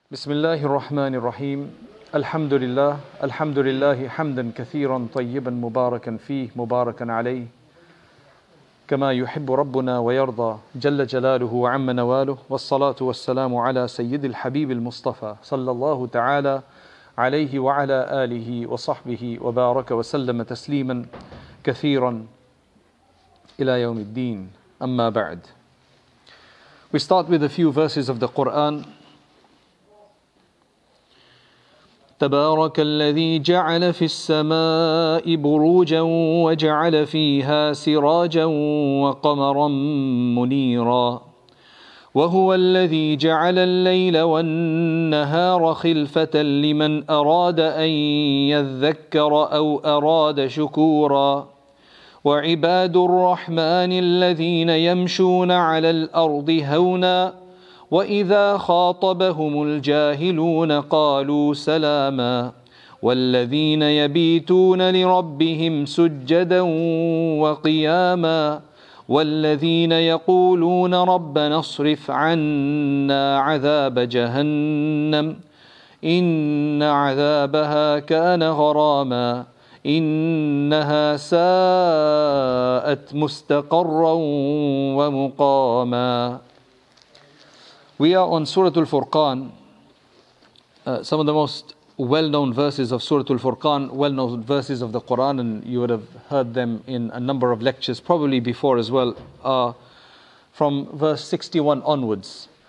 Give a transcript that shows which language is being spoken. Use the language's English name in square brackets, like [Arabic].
[Arabic] بسم الله الرحمن الرحيم الحمد لله الحمد لله حمدا كثيرا طيبا مباركا فيه مباركا عليه كما يحب ربنا ويرضى جل جلاله عما نواله والصلاة والسلام على سيد الحبيب المصطفى صلى الله تعالى عليه وعلى آله وصحبه وبارك وسلم تسليما كثيرا إلى يوم الدين أما بعد. [English] We start with a few verses of the Quran. [Arabic] تبارك الذي جعل في السماء بروجا وجعل فيها سراجا وقمرا منيرا وهو الذي جعل الليل والنهار خلفة لمن أراد أن يذكر أو أراد شكورا وعباد الرحمن الذين يمشون على الأرض هونا وَإِذَا خَاطَبَهُمُ الْجَاهِلُونَ قَالُوا سَلَامًا وَالَّذِينَ يَبِيتُونَ لِرَبِّهِمْ سُجَّدًا وَقِيَامًا وَالَّذِينَ يَقُولُونَ رَبَّنَا اصْرِفْ عَنَّا عَذَابَ جَهَنَّمَ إِنَّ عَذَابَهَا كَانَ غَرَامًا إِنَّهَا سَاءَتْ مُسْتَقَرًّا وَمُقَامًا. [English] We are on Surah Al-Furqan, some of the most well-known verses of Surah Al-Furqan, well-known verses of the Quran, and you would have heard them in a number of lectures, probably before as well, from verse 61 onwards.